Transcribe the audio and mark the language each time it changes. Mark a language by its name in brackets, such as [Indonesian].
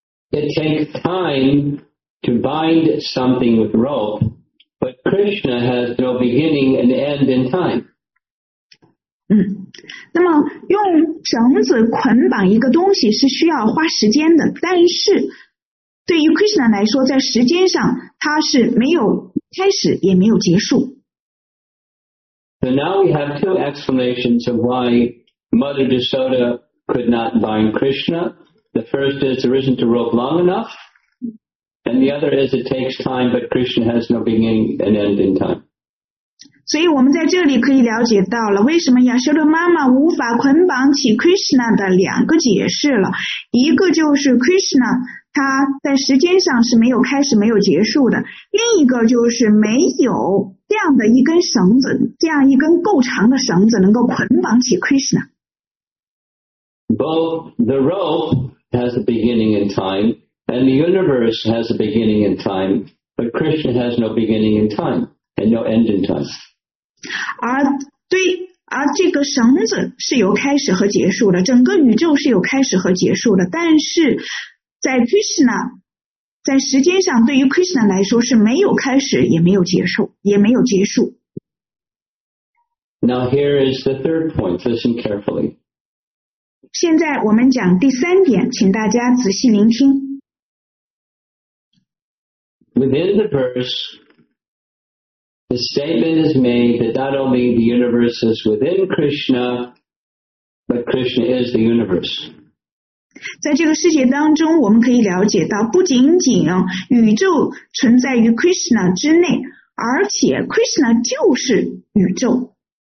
[English] It takes time to bind something with rope, but Krishna has no beginning and end in time. [Chinese] 那么用绳子捆绑一个东西是需要花时间的，但是对于 Krishna 来说，在时间上它是没有开始也没有结束。 [English] So now we have two explanations of why Mother Yashoda could not bind Krishna. The first is there isn't a rope long enough, and the other is it takes time, but Krishna has no beginning and end in time. [Chinese] 所以我们在这里可以了解到了为什么 Yashoda 妈妈无法捆绑起 Krishna 的两个解释了。一个就是 Krishna 他在时间上是没有开始没有结束的，另一个就是没有这样的一根绳子，这样一根够长的绳子能够捆绑起 Krishna。 [English] Both the rope has a beginning in time, and the universe has a beginning in time, but Krishna has no beginning in time and no end in time. [Chinese] 而这个绳子是有开始和结束的，整个宇宙是有开始和结束的，但是在 Krishna。在时间上对于 Krishna 来说是没有开始也没有结束，也没有结束。 [English] Now here is the third point, listen carefully. [Chinese] 现在我们讲第三点，请大家仔细聆听。 [English] Within the verse, the statement is made that not only the universe is within Krishna, but Krishna is the universe. [Chinese] 在这个世界当中，我们可以了解到，不仅仅宇宙存在于 Krishna 之内，而且 Krishna 就是宇宙。